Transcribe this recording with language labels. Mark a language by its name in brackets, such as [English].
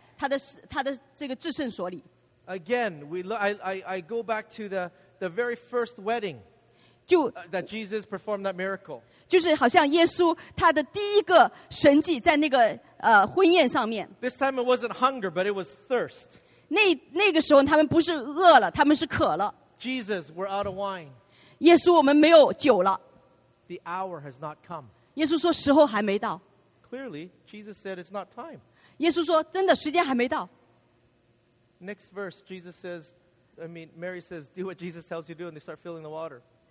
[Chinese] 就好像来到神最原先的那个心愿，就是我们能够进到他的同在，他的这个至圣所里。 [English] Again, I go back to the very first wedding that Jesus performed that miracle. [Chinese] 就是好像耶稣他的第一个神迹在那个婚宴上面。 [English] This time it wasn't hunger, but it was thirst. [Chinese] 那个时候他们不是饿了，他们是渴了。 [English] Jesus, we're out of wine. [Chinese] 耶稣，我们没有酒了。 [English] The hour has not come. [Chinese] 耶稣说时候还没到。 [English] Clearly, Jesus said it's not time. [Chinese] 耶稣说真的时间还没到。 [English] Next verse, Jesus says, Mary says, do what Jesus tells you to do, and they start filling the water.